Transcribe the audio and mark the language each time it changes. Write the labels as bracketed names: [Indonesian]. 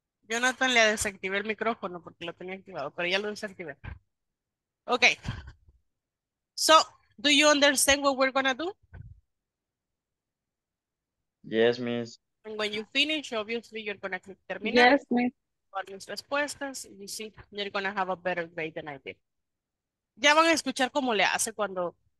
[Spanish] Jonathan, le desactivé el micrófono porque lo tenía activado, pero ya lo desactivé. [English] Okay. So, do you understand what we're gonna do? Yes, miss. And when you finish, obviously, you're gonna click terminar. Yes, miss. [Spanish] Con mis respuestas, [English] you see, you're gonna have a better grade than I did. [Spanish] Ya van a escuchar cómo le hace cuando...